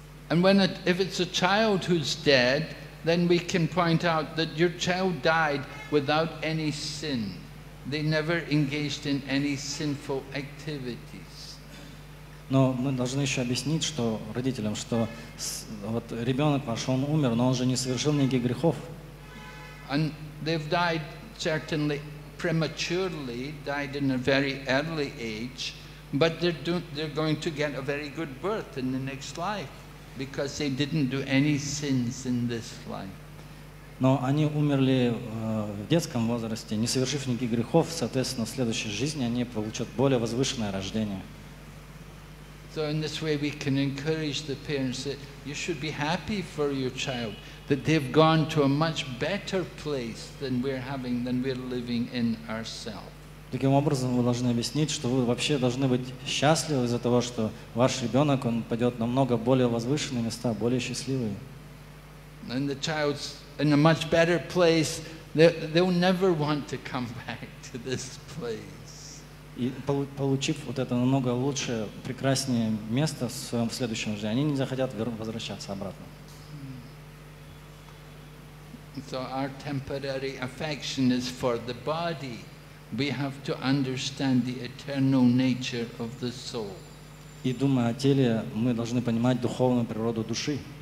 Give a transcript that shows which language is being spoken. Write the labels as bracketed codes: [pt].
[en] And when if it's a child who's dead, then we can point out that your child died without any sin. They never engaged in any sinful activities. [ru] Но мы должны еще объяснить, что родителям, что вот ребенок ваш, он умер, но он же не совершил никаких грехов. [en] And they've died certainly prematurely, died in a very early age, but they're going to get a very good birth in the next life because they didn't do any sins in this life. [ru] Но они умерли в детском возрасте, не совершив никаких грехов, соответственно, в следующей жизни они получат более возвышенное рождение. [en] So in this way we can encourage the parents that you should be happy for your child, that they've gone to a much better place than we're living in ourselves. [ru] Таким образом, вы должны объяснить, что вы вообще должны быть счастливы из-за того, что ваш ребенок, он пойдет намного более возвышенные места, более счастливые. [en] And the child's in a much better place, they'll never want to come back to this place. [ru] И получив вот это намного лучше, прекраснее место в своем следующем жизни, они не захотят возвращаться обратно. [en] So our temporary affection is for the body. We have to understand the eternal nature of the soul. [ru] И думая о теле, мы должны понимать духовную природу души.